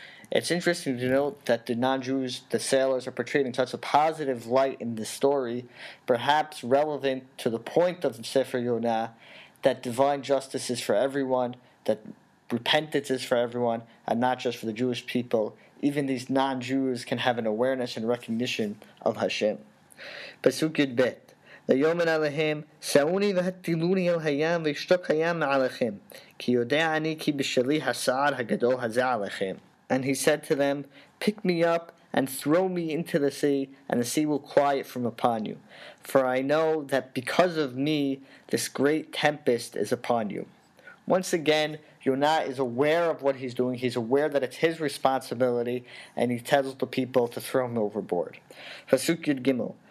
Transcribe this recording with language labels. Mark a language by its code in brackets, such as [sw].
[en] It's interesting to note that the non-Jews, the sailors, are portrayed in such a positive light in this story, perhaps relevant to the point of Sefer Yonah, that divine justice is for everyone, that repentance is for everyone, and not just for the Jewish people. Even these non-Jews can have an awareness and recognition of Hashem. Pasuk Yud Bet. [he] ויאמר אליהם, סעוני והטילוני אל הים וישתוק הים מעליכם, כי יודע אני כי בשלי הסער הגדול הזה עליכם. [en] And he said to them, pick me up and throw me into the sea, and the sea will quiet from upon you. For I know that because of me, this great tempest is upon you. Once again, Yonah is aware of what he's doing. He's aware that it's his responsibility, and he tells the people to throw him overboard. [he] פסוק יד גימל.